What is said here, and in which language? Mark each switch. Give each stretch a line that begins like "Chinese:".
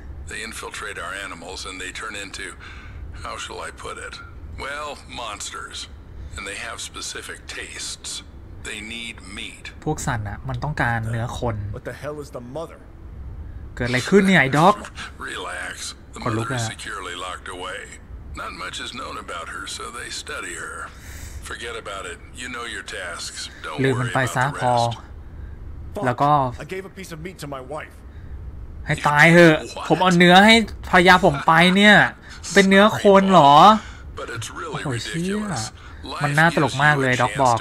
English: They infiltrate our animals and they turn into how shall I put it? Well, monsters. And they have specific tastesThey need meat.
Thai: พวกสัตว์น่ะมันต้องการเนื้อคน
English: What the hell is the mother?
Thai: เกิดอะไรขึ้นเนี่ยไอ้ด็อก
English: Relax. The mother is securely locked away. Not much is known about her, so they study her. Forget about it. You know your tasks. Don't worry about the rest.
Thai: ลืมมันไปซะพอแล้วก็
English: I gave a piece of meat to my wife.
Thai: ให้ตายเถอะผมเอาเนื้อให้ภรรยาผมไปเนี่ยเป็นเนื้อคนหรอโอ้ยเชี่ยมันน่าตลกมากเลยด็อกบอกเขา